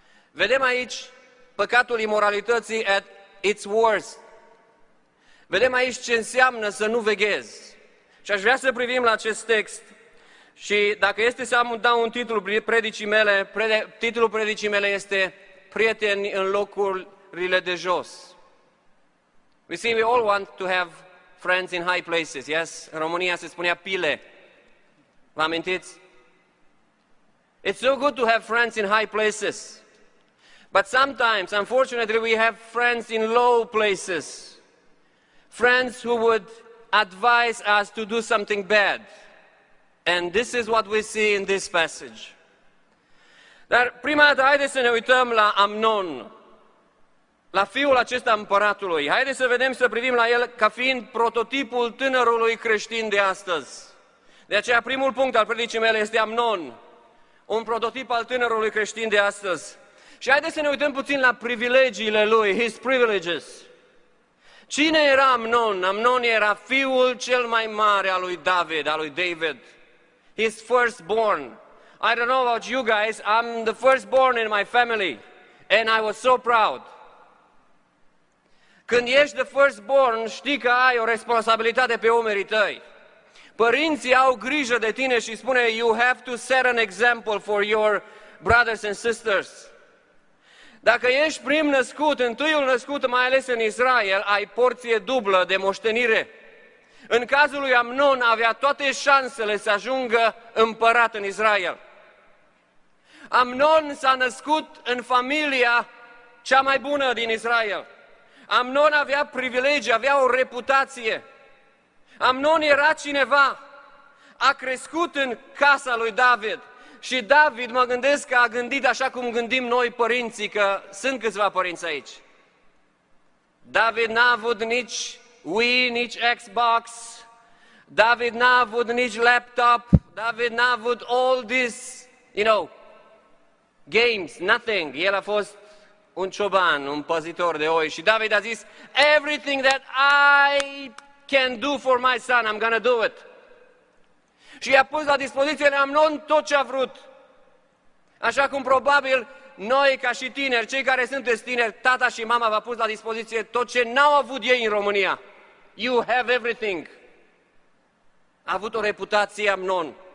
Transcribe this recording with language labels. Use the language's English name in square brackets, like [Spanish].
[Romanian] Vedem aici păcatul imoralității [English] at its worst. [Romanian] Vedem aici ce înseamnă să nu veghezi. Și aș vrea să privim la acest text. Și dacă este să am dau un titlu predicii mele, titlul predicii mele este Prieteni în locurile de jos. [English] We see we all want to have friends in high places. Yes, [Romanian] în România se spunea pile. Vă amintiți? [English] It's so good to have friends in high places. But sometimes, unfortunately, we have friends in low places. Friends who would advise us to do something bad. And this is what we see in this passage. [Romanian] Dar prima dată, haideți să ne uităm la Amnon, la fiul acesta împăratului. Haideți să vedem, să privim la el ca fiind prototipul tânărului creștin de astăzi. De aceea, primul punct al predicii mele este Amnon. Un prototip al tânărului creștin de astăzi. Și haideți să ne uităm puțin la privilegiile lui, [English] his privileges. [Romanian] Cine era Amnon? Amnon era fiul cel mai mare al lui David, al lui David. [English] His firstborn. I don't know about you guys, I'm the firstborn in my family. And I was so proud. [Romanian] Când ești [English] the firstborn, [Romanian] știi că ai o responsabilitate pe umerii tăi. Părinții au grijă de tine și spune, [English] you have to set an example for your brothers and sisters. [Romanian] Dacă ești prim născut, întâiul născut, mai ales în Israel, ai porție dublă de moștenire. În cazul lui Amnon avea toate șansele să ajungă împărat în Israel. Amnon s-a născut în familia cea mai bună din Israel. Amnon avea privilegii, avea o reputație. Amnon era cineva. A crescut în casa lui David. Și David, mă gândesc că a gândit așa cum gândim noi părinții, că sunt câțiva părinți aici. David n-a avut nici Wii, nici Xbox. David n-a avut nici laptop. [English] David [Romanian] n-a avut [English] all this, you know, games, nothing. [Romanian] El a fost un cioban, un păzitor de oi. Și David a zis, [English] everything that I can do for my son, I'm gonna do it. [Romanian] Și i-a pus la dispoziție lui Amnon tot ce a vrut. Așa cum probabil noi, ca și tineri, cei care sunteți tineri, tata și mama v-a pus la dispoziție tot ce n-au avut ei în România. [English] You have everything. [Romanian] A avut o reputație Amnon.